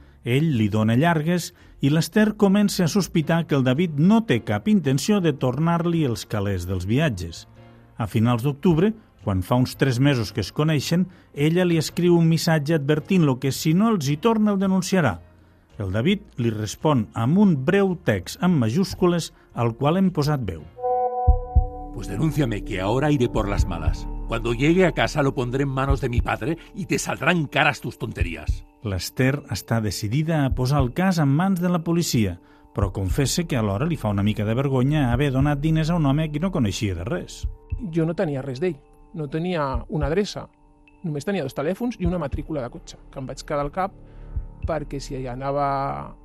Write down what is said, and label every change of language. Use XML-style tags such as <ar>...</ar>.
<ca>Ell li dona llargues i l'Esther comença a sospitar que el David no té cap intenció de tornar-li els calés dels viatges. A finals d'octubre, quan fa uns 3 mesos que es coneixen, ella li escriu un missatge advertint-lo que si no els hi torna el denunciarà. El David li respon amb un breu text amb majúscules al qual hem posat veu.</ca> <es>Pues denúnciame que ahora iré por las malas. Cuando llegue a casa lo pondré en manos de mi padre y te saldrán caras tus tonterías.</es> <ca>L'Esther està decidida a posar el cas en mans de la policia, però confessa que alhora li fa una mica de vergonya haver donat diners a un home que no coneixia de res. Jo no tenia res d'ell. No tenia una adreça. Només tenia 2 telèfons i una matrícula de cotxe, que em vaig quedar al cap perquè si anava</ca>